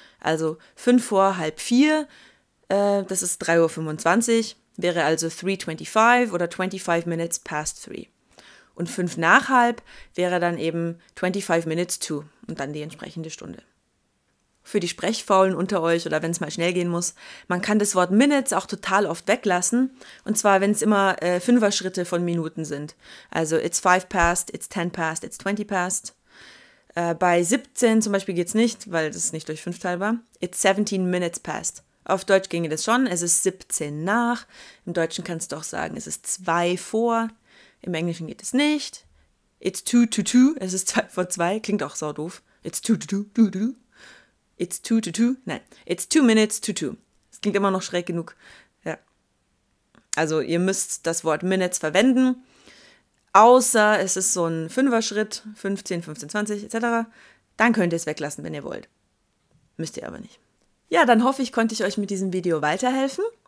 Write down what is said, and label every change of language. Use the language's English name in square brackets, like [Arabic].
[German] Also 4:30, das ist 3:25 Uhr, wäre also 3:25 oder [English] 25 minutes past 3. [German] Und 5 nach halb wäre dann eben [English] 25 minutes to [German] und dann die entsprechende Stunde. Für die Sprechfaulen unter euch oder wenn es mal schnell gehen muss, man kann das Wort Minutes auch total oft weglassen. Und zwar, wenn es immer 5er-Schritte von Minuten sind. [English] Also it's 5 past, it's 10 past, it's 20 past. [German] Bei 17 zum Beispiel geht es nicht, weil das ist nicht durch 5 teilbar. [English] It's 17 minutes past. [German] Auf Deutsch ginge das schon, es ist 17 nach. Im Deutschen kannst du auch sagen, es ist 2 vor. Im Englischen geht es nicht. [English] It's 2 to 2, [German] es ist 2 vor 2. Klingt auch sau doof. It's 2 to 2. [English] It's 2 to 2, [German] nein, [English] it's 2 minutes to 2. [German] Das klingt immer noch schräg genug. Ja. Also ihr müsst das Wort Minutes verwenden, außer es ist so ein 5er-Schritt, 15, 15, 20 etc. Dann könnt ihr es weglassen, wenn ihr wollt. Müsst ihr aber nicht. Ja, dann hoffe ich, konnte ich euch mit diesem Video weiterhelfen.